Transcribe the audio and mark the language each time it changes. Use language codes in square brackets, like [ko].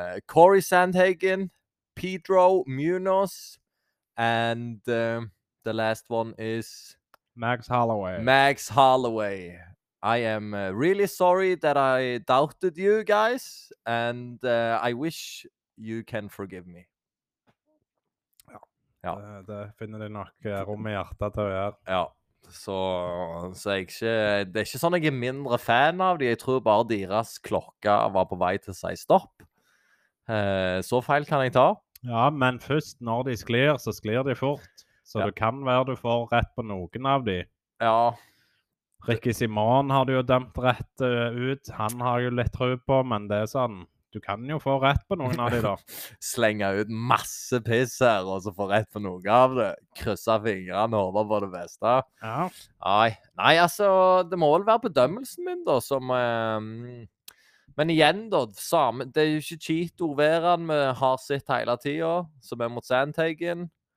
[en] Corey Sandhagen, Pedro Munoz, and the last one is Max Holloway. Max Holloway. I am really sorry that I doubted you guys, and I wish you can forgive me. [no] Ja, ja. Det finner de nok rom i hjertet til å gjøre. Ja. Så jeg ikke, det er ikke sånn jeg er mindre fan av de. Jeg tror bare deres klokka var på vei til å si stopp. Så feil kan jeg ta. Ja, men først når de sklir, så sklir de fort. Så ja. Det kan være du får rett på noen av de. Ja. Ricky Simon har du jo dømt rett ut. Han har jo litt tru på, men det er sånn. Du kan jo få rett på noen av de da. Slenge ut masse piss her, og så få rett på noen av det. Krysse fingrene over på det beste. Ja. Nei, altså, det må vel være bedømmelsen min da, som... Men igjen da, samme, det er jo ikke Cheeto-veren vi har sett hele tiden, som er mot Sandhagen.